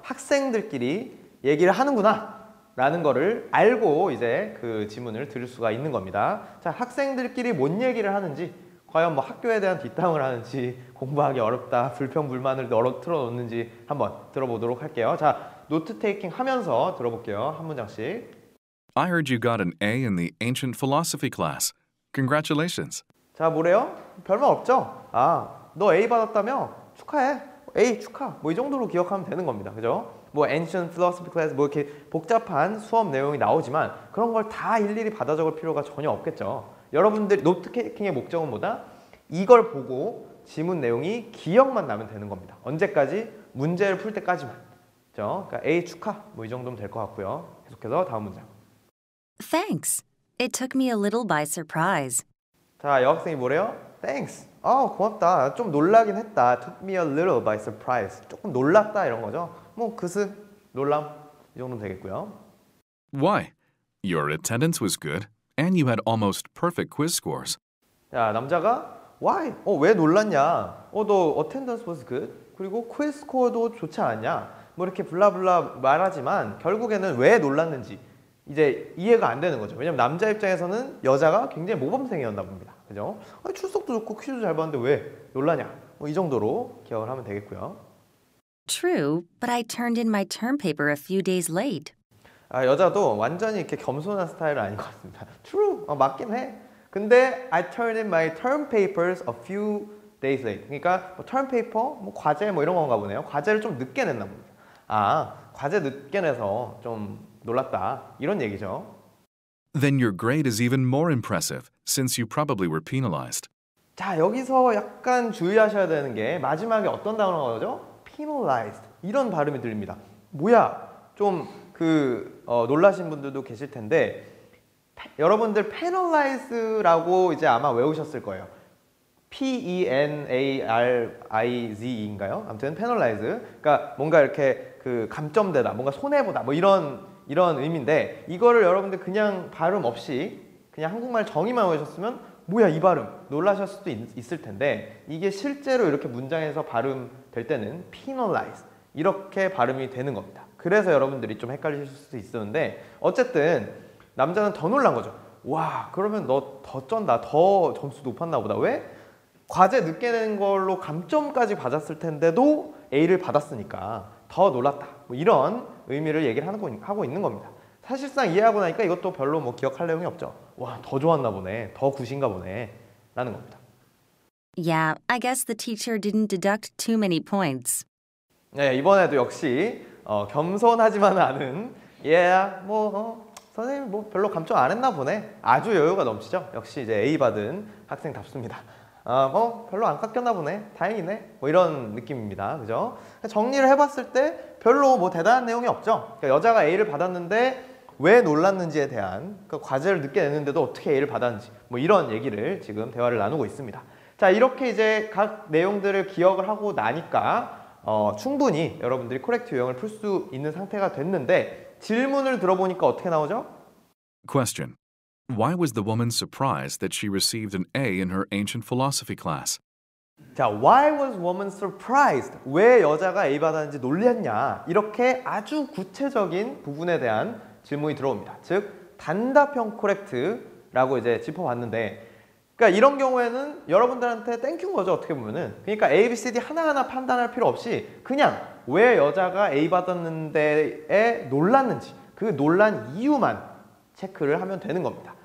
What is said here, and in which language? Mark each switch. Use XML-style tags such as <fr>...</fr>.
<ko>학생들끼리 얘기를 하는구나 라는 거를 알고 이제 그 지문을 들을 수가 있는 겁니다. 자, 학생들끼리 뭔 얘기를 하는지, 과연 뭐 학교에 대한 뒷담을 하는지, 공부하기 어렵다, 불평불만을 털어놓는지 한번 들어보도록 할게요. 자, 노트 테이킹 하면서 들어볼게요. 한 문장씩.</ko> <en>I heard you got an A in the ancient philosophy class. Congratulations.</en> <ko>자, 뭐래요? 별말 없죠? 아, 너 A 받았다며? 축하해. A 축하. 뭐이 정도로 기억하면 되는 겁니다. 그죠? 뭐</ko> <en>ancient philosophy class,</en> <ko>뭐 이렇게 복잡한 수업 내용이 나오지만 그런 걸다 일일이 받아 적을 필요가 전혀 없겠죠. 여러분들 노트 테이킹의 목적은 뭐다? 이걸 보고 지문 내용이 기억만 나면 되는 겁니다. 언제까지? 문제를 풀 때까지만. 그죠? 그러니까 A 축하. 뭐이 정도면 될것 같고요. 계속해서 다음 문장.</ko> <en>Thanks. It took me a little by surprise.</en> <ko>자, 여학생이 뭐래요?</ko> <en>Thanks.</en> <ko>고맙다. 좀 놀라긴 했다.</ko> <en>Took me a little by surprise.</en> <ko>조금 놀랐다 이런 거죠. 뭐 그스 놀람 이 정도면 되겠고요.</ko> <en>Why? Your attendance was good, and you had almost perfect quiz scores.</en> <ko>야, 남자가 why? 왜 놀랐냐? 너</ko> <en>attendance was good.</en> <ko>그리고 quiz score도 좋지 않았냐? 뭐 이렇게 블라블라 말하지만 결국에는 왜 놀랐는지 이제 이해가 안 되는 거죠. 왜냐면 남자 입장에서는 여자가 굉장히 모범생이었나 봅니다. 그죠? 출석도 좋고 퀴즈도 잘 봤는데 왜 놀라냐? 뭐이 정도로 기억을 하면 되겠고요.</ko> <en>True, but I turned in my term paper a few days late.</en> <ko>아, 여자도 완전히 이렇게 겸손한 스타일은 아닌 것 같습니다.</ko> <en>True,</en> <ko>어, 맞긴 해. 근데</ko> <en>I turned in my term papers a few days late.</en> <ko>그러니까 뭐 term paper, 뭐 과제 뭐 이런 건가 보네요. 과제를 좀 늦게 냈나 봅니다. 아, 과제 늦게 내서 좀 놀랐다. 이런 얘기죠.</ko> <en>Then your grade is even more impressive, since you probably were penalized.</en> <ko>자, 여기서 약간 주의하셔야 되는 게 마지막에 어떤 단어가 나오죠? Penalized. 이런 발음이 들립니다. 뭐야? 좀 그 어, 놀라신 분들도 계실 텐데 여러분들 penalize라고 이제 아마 외우셨을 거예요. P-E-N-A-R-I-Z-E인가요? 아무튼 penalize. 그러니까 뭔가 이렇게 그 감점되다, 뭔가 손해보다 뭐 이런 의미인데 이거를 여러분들 그냥 발음 없이 그냥 한국말 정의만 외우셨으면 뭐야 이 발음 놀라셨을 수도 있을 텐데 이게 실제로 이렇게 문장에서 발음 될 때는 penalize 이렇게 발음이 되는 겁니다. 그래서 여러분들이 좀 헷갈리실 수도 있었는데 어쨌든 남자는 더 놀란 거죠. 와 그러면 너 더 쩐다 더 점수 높았나 보다. 왜? 과제 늦게 낸 걸로 감점까지 받았을 텐데도 A를 받았으니까 더 놀랐다 뭐 이런 의미를 얘기를 하고 있는 겁니다. 사실상 이해하고 나니까 이것도 별로 뭐 기억할 내용이 없죠. 와, 더 좋았나 보네. 더 굿인가 보네. 라는 겁니다.</ko> <en>Yeah, I guess the teacher didn't deduct too many points.</en> <ko>네, 이번에도 역시 어, 겸손하지만 않은</ko> <en>Yeah,</en> <ko>뭐 어, 선생님 뭐 별로 감점 안 했나 보네. 아주 여유가 넘치죠. 역시 이제 A 받은 학생답습니다. 어, 뭐 별로 안 깎였나 보네. 다행이네. 뭐 이런 느낌입니다. 그죠? 정리를 해봤을 때 별로 뭐 대단한 내용이 없죠. 그러니까 여자가 A를 받았는데 왜 놀랐는지에 대한 그 과제를 늦게 냈는데도 어떻게 A를 받았는지 뭐 이런 얘기를 지금 대화를 나누고 있습니다. 자 이렇게 이제 각 내용들을 기억을 하고 나니까 어, 충분히 여러분들이 코렉트 유형을 풀 수 있는 상태가 됐는데 질문을 들어보니까 어떻게 나오죠?</ko> <en>Question. Why was the woman surprised that she received an A in her ancient philosophy class? 자, why was woman surprised?</en> <ko>왜 여자가 A 받았는지 놀랐냐? 이렇게 아주 구체적인 부분에 대한 질문이 들어옵니다. 즉, 단답형 코렉트라고 이제 짚어봤는데 그러니까 이런 경우에는 여러분들한테 땡큐인 거죠, 어떻게 보면은. 그러니까 A, B, C, D 하나하나 판단할 필요 없이 그냥 왜 여자가 A 받았는데에 놀랐는지 그 놀란 이유만 체크를 하면 되는 겁니다.</ko>